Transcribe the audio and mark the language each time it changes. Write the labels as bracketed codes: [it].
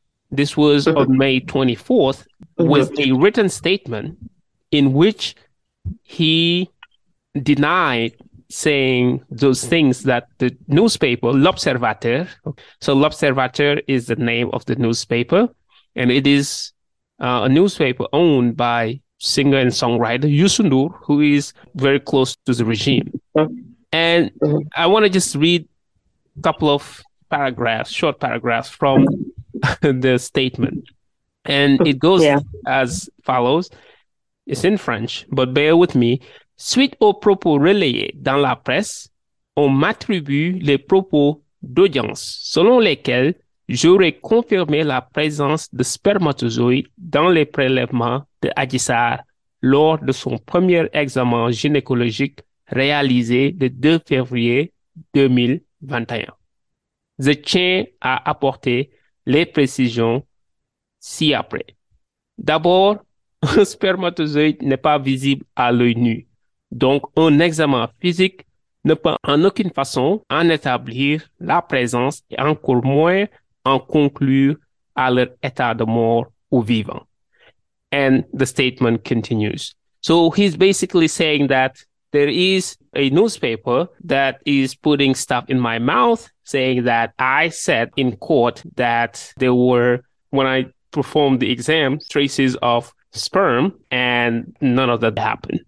[en] This was on May 24th, with a written statement in which he denied saying those things that the newspaper, L'Observateur, so L'Observateur is the name of the newspaper, and it is a newspaper owned by singer and songwriter Youssou N'Dour, who is very close to the regime. And I want to just read a couple of paragraphs, short paragraphs from the statement. And it goes as follows. It's in French, but bear with me. [fr] Suite aux propos relayés dans la presse, on m'attribue les propos d'audience selon lesquels j'aurais confirmé la présence de spermatozoïdes dans les prélèvements de Ajisar lors de son premier examen gynécologique réalisé le 2 février 2021. Je tiens à apporter les précisions ci-après. D'abord, un spermatozoïde n'est pas visible à l'œil nu, donc un examen physique ne peut en aucune façon en établir la présence et encore moins en conclure à leur état de mort ou vivant. [en] And the statement continues. So he's basically saying that there is a newspaper that is putting stuff in my mouth, saying that I said in court that there were, when I performed the exam, traces of sperm, and none of that happened.